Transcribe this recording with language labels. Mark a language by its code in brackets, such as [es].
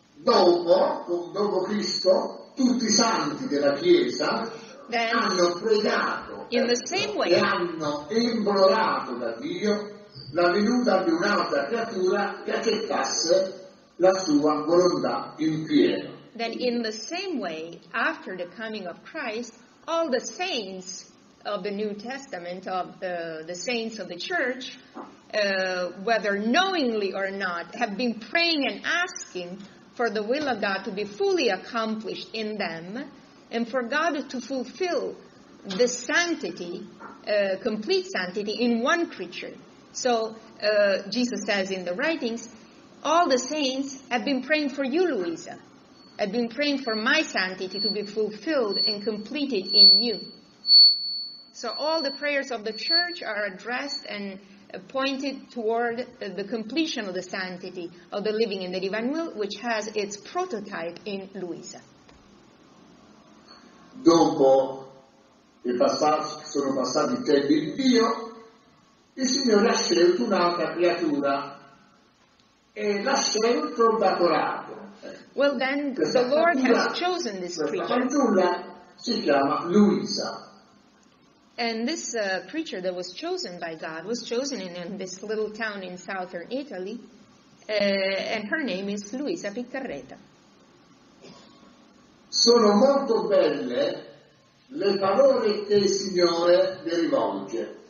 [it] Dopo Cristo, tutti i santi della Chiesa hanno pregato [en] in the same way, [it] e hanno implorato da Dio la venuta di un'altra creatura che accettasse la sua volontà in pieno. [en] Then in the same way, after the coming of Christ, all the saints of the New Testament, of the saints of the Church, whether knowingly or not, have been praying and asking for the will of God to be fully accomplished in them and for God to fulfill the sanctity, complete sanctity, in one creature. So, Jesus says in the writings, all the saints have been praying for you, Luisa. I've been praying for my sanctity to be fulfilled and completed in you. So all the prayers of the Church are addressed and pointed toward the completion of the sanctity of the living in the divine will, which has its prototype in Luisa. [it] Dopo il passaggio, sono passati i tempi di Dio, il Signore ha scelto un'altra creatura e l'ha scelto da corato. [en] Well then, the Lord has chosen this preacher. [it] Questa fanciulla si chiama Luisa. [en] And this preacher that was chosen by God was chosen in this little town in southern Italy, and her name is Luisa Piccarreta. [it] Sono molto belle le parole che il Signore le rivolge.